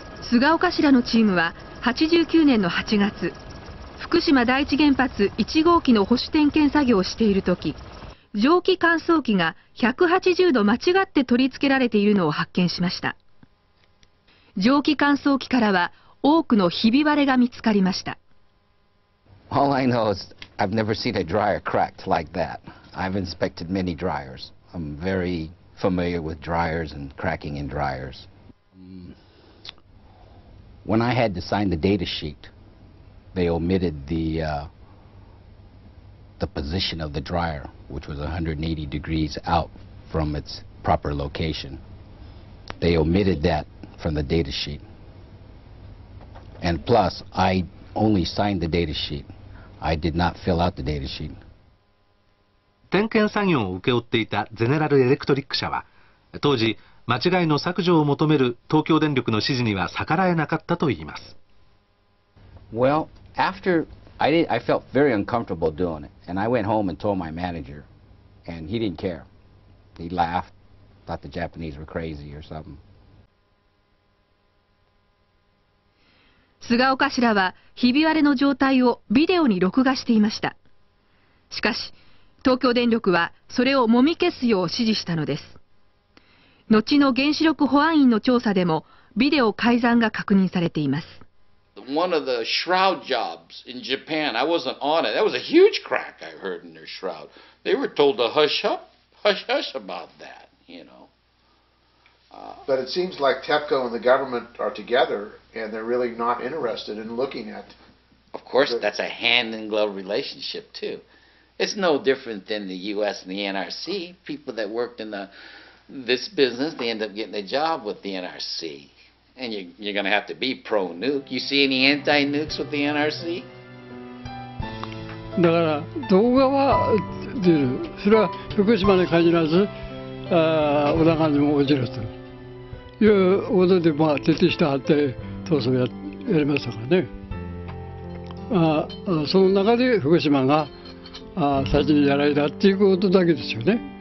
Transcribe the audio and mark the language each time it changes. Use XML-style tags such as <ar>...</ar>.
<ja>菅岡氏らのチームは89年の8月、福島第一原発1号機の保守点検作業をしているとき、蒸気乾燥機が180度間違って取り付けられているのを発見しました。蒸気乾燥機からは多くのひび割れが見つかりました。</ja> <en>All I know is I've never seen a dryer cracked like that. I've inspected many dryers. I'm very familiar with dryers and cracking in dryers. When I had to sign the data sheet, they omitted the the position of the dryer, which was 180 degrees out from its proper location. They omitted that from the data sheet. And plus, I only signed the data sheet. I did not fill out the data sheet.</en> <ja>点検作業を受け負っていたゼネラルエレクトリック社は、当時、間違いの削除を求める東京電力の指示には逆らえなかったといいます。</ja> <en>Well, after I felt very uncomfortable doing it, and I went home and told my manager, and he didn't care. He laughed, thought the Japanese were crazy or something.</en> <ja>菅岡氏らは、ひび割れの状態をビデオに録画していました。しかし、東京電力はそれをもみ消すよう指示したのです。後の原子力保安院の調査でも、ビデオ改ざんが確認されています。</ja> <en>One of the shroud jobs in Japan, I wasn't on it. That was a huge crack I heard in their shroud. They were told to hush about that, you know. But it seems like TEPCO and the government are together and they're really not interested in looking at. Of course, that's a hand in glove relationship too. It's no different than the U.S. and the NRC. People that worked in this business, they end up getting a job with the NRC. And you're going to have to be pro-nuke. You see any anti-nukes with the NRC?</en> <ja>だから動画は出る。それは福島に限らず、小田川にも落ちるということで、まあ、徹底してはって闘争をやりましたからね。その中で福島が最初にやられたということだけですよね。</ja>